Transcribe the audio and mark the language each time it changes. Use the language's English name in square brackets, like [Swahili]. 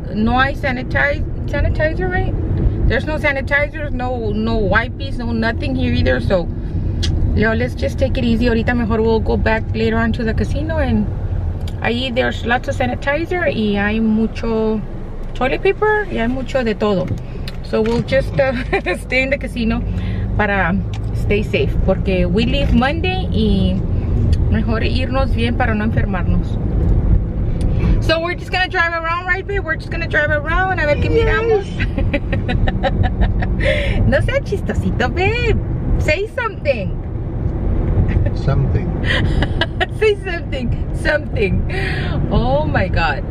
[Spanish] No hay [English] sanitizer, right? There's no sanitizers, no wipes, no nothing here either. So, yo, let's just take it easy. [Spanish] Ahorita mejor [English] we'll go back later on to the casino and. [Spanish] Ahí [English] there's lots of sanitizer [Spanish] y hay mucho [English] toilet paper [Spanish] y hay mucho de todo. [English] So we'll just stay in the casino para stay safe. [Spanish] Porque [English] we leave Monday [Spanish] y mejor irnos bien para no enfermarnos. [English] So we're just gonna drive around, right, babe? We're just gonna drive around [Spanish] a ver qué miramos. No sea chistosito, [English] babe. Say something. Something. Say something. Something. Oh my god.